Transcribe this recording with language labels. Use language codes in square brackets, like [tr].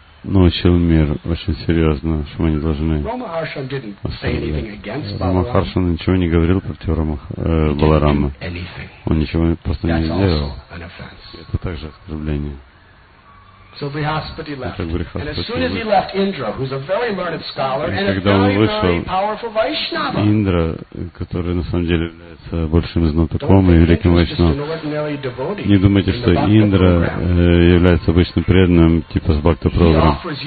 [ru] научил мир очень серьезно, что мы не должны оставлять. Рамахаршан ничего не говорил против Баларама. Он ничего просто не сделал. Это также оскорбление. [en] So Brihaspati left. And as soon as he left Indra, who's a very learned scholar and a very, [ru] вышел, [en] very powerful Vaishnava. [ru] Indra, который на самом деле является большим знатоком и великим Вайшнавом. Не думайте, что Индра является обычным преданным типа с Бхакта Програм.